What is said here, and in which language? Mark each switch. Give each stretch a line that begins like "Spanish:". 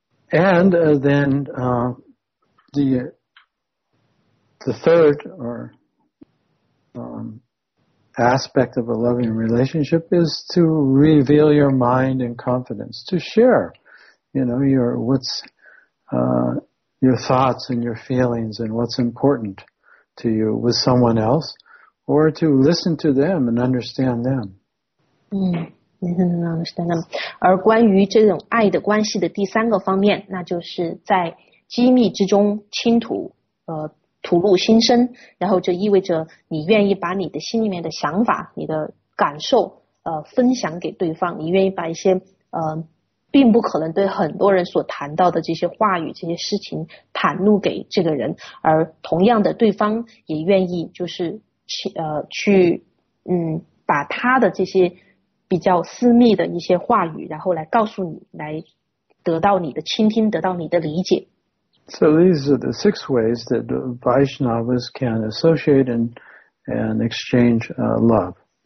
English: And then the third or aspect of a loving relationship is to reveal your mind and confidence, to share, your thoughts and your feelings and what's important to you with someone else, or to listen to them and understand them. Understand them.
Chinese: 而关于这种爱的关系的第三个方面，那就是在机密之中倾吐，吐露心声，然后这意味着你愿意把你的心里面的想法、你的感受，分享给对方。你愿意把一些并不可能对很多人所谈到的这些话语这些事情袒露给这个人，而同样的对方也愿意就是去把他的这些比较私密的一些话语然后来告诉你，来得到你的倾听，得到你的理解。
English: So these are the six ways that Vaishnavas can associate and exchange love.